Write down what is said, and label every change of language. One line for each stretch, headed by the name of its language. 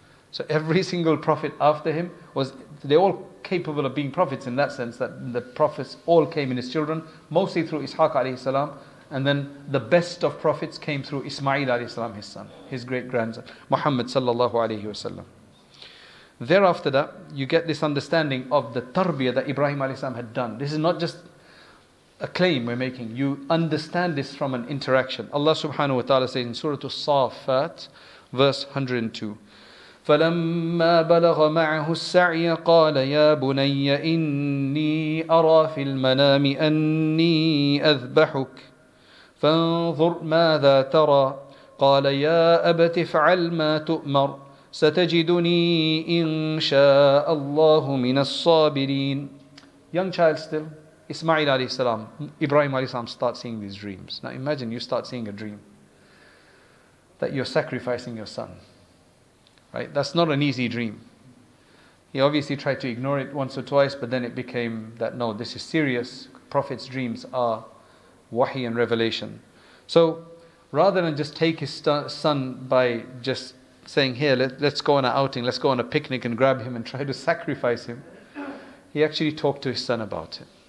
English: So every single prophet after him was, they're all capable of being prophets in that sense, that the prophets all came in his children, mostly through Ishaq alayhi salam, and then the best of prophets came through Ismail alayhi salam, his son, his great grandson, Muhammad sallallahu alayhi wa sallam. Thereafter that, you get this understanding of the tarbiyah that Ibrahim alayhi salam had done. This is not just a claim we're making. You understand this from an interaction. Allah subhanahu wa ta'ala says in Surah As-Saffat, verse 102,
Arabic: فَلَمَّا بَلَغَ مَعَهُ السَّعْيَ قَالَ يَا بُنَيَّ إِنِّي أَرَى فِي الْمَنَامِ أَنِّي أَذْبَحُكَ فَانْظُرْ مَاذَا تَرَى قَالَ يَا أَبَتِ افْعَلْ مَا تُؤْمَرُ سَتَجِدُنِي إِنْ شَاءَ اللَّهُ مِنَ الصَّابِرِينَ
English: Young child still, Ismail alayhi salam, Ibrahim alayhi salam start seeing these dreams. Now imagine you start seeing a dream that you're sacrificing your son. Right, that's not an easy dream. He obviously tried to ignore it once or twice, but then it became that, no, this is serious. Prophet's dreams are wahi and revelation. So rather than just take his son by just saying, here, let's go on an outing, let's go on a picnic and grab him and try to sacrifice him, he actually talked to his son about it.